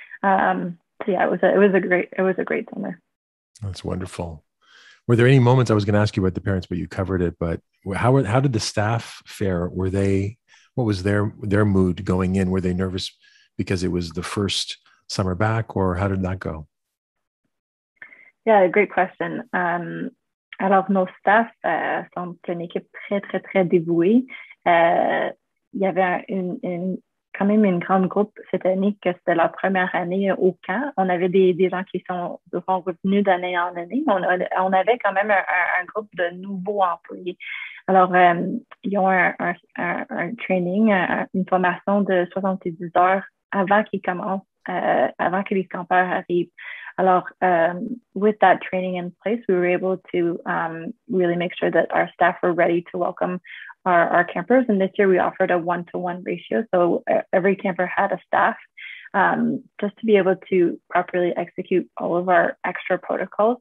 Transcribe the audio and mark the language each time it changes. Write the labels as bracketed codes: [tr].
[en] It was a great summer. That's wonderful. Were there any moments I was going to ask you about the parents, but you covered it, but how did the staff fare? Were they, what was their mood going in? Were they nervous because it was the first summer back, or how did that go? Yeah, great question. [fr] Alors, nos staff sont une équipe très, très, très dévouée. Il y avait quand même une grande groupe cette année, que c'était la première année au camp. On avait des gens qui sont revenus d'année en année, mais on avait quand même un groupe de nouveaux employés. Alors, ils ont un training, une formation de 70 heures avant qu'ils commencent, avant que les campeurs arrivent. [en] Alors, with that training in place, we were able to really make sure that our staff were ready to welcome our campers. And this year we offered a one-to-one ratio. So every camper had a staff just to be able to properly execute all of our extra protocols.